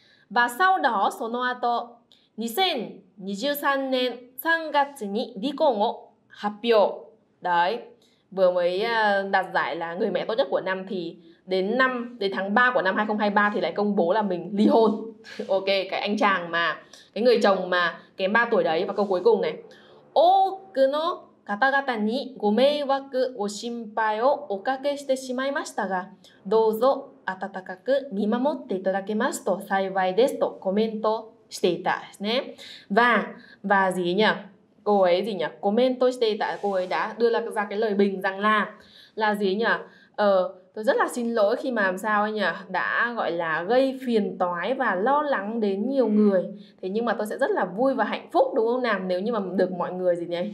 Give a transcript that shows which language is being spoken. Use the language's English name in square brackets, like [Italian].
[Vietnamese] Và sau đó [Japanese] sono ato 2023 nen 3月 ni rikon wo hatbyou. [Vietnamese] Đấy. Vừa mới đạt giải là người mẹ tốt nhất của năm thì đến tháng 3 của năm 2023 thì lại công bố là mình ly hôn. Ok, cái anh chàng mà cái người chồng mà kém 3 tuổi đấy. Và câu cuối cùng này. [Japanese] Oku no 方々にご迷惑、ご心配をおかけしてしまいましたが、どうぞ温かく見守っていただけますと幸いですとコメントしていたですね。 [Vietnamese] và gì nhỉ? Cô ấy gì nhỉ? Comment [Japanese] していた, [Vietnamese] cô ấy đã đưa ra cái lời bình rằng là gì nhỉ? Tôi rất là xin lỗi khi mà làm sao ấy nhỉ? Đã gọi là gây phiền toái và lo lắng đến nhiều người. Thế nhưng mà tôi sẽ rất là vui và hạnh phúc đúng không nào? Nếu như mà được mọi người gì nhỉ?